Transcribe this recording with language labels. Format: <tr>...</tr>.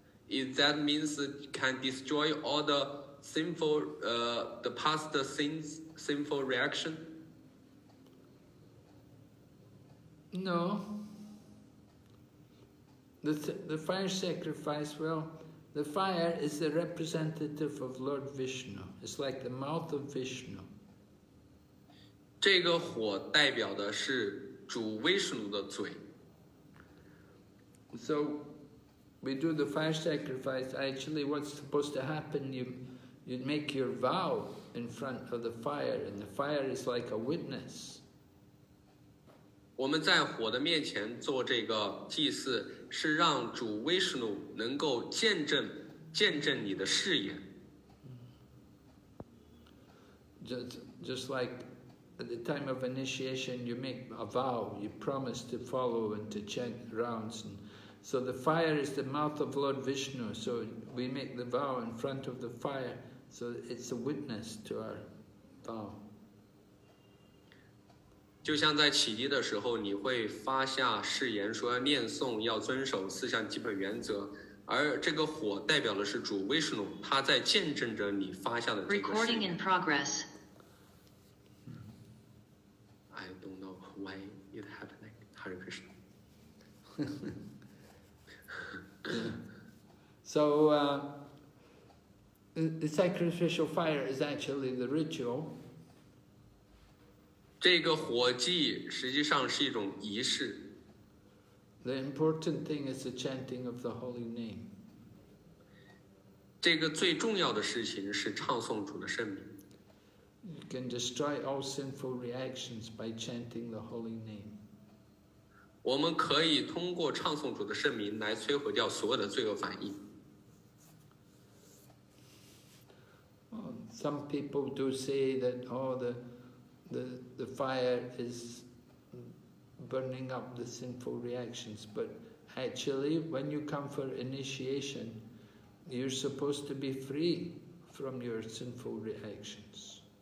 <en>Is that means it can destroy all the sinful, the past sins, sinful reaction? No. The fire sacrifice, well, the fire is the representative of Lord Vishnu. It's like the mouth of Vishnu.</en> <zh>这个火代表的是主威士奴的嘴。</zh> <en>So, we do the fire sacrifice. Actually, what's supposed to happen, you make your vow in front of the fire, and the fire is like a witness.</en> <zh>我们在火的面前做这个祭祀，是让主威士奴能够见证你的誓言。</zh> <en>Just like at the time of initiation, you make a vow, you promise to follow and to chant rounds. And so the fire is the mouth of Lord Vishnu. So we make the vow in front of the fire. So it's a witness to our vow.</en> <zh>就像在起乩的时候，你会发下誓言，说要念诵，要遵守四项基本原则。而这个火代表的是主威士奴，他在见证着你发下的这个誓言。</zh> <en>Recording in progress. Why it happened, Hare Krishna. So, the sacrificial fire is actually the ritual.</en> <zh>这个火祭实际上是一种仪式。</zh> <en>The important thing is the chanting of the holy name.</en> <zh>这个最重要的事情是唱诵主的圣名。</zh> <en>You can destroy all sinful reactions by chanting the holy name.</en> <zh>我们可以通过唱诵主的圣名来摧毁掉所有的罪恶反应。</zh> <en>Some people do say that the fire is burning up the sinful reactions, but actually, when you come for initiation, you're supposed to be free from your sinful reactions.</en>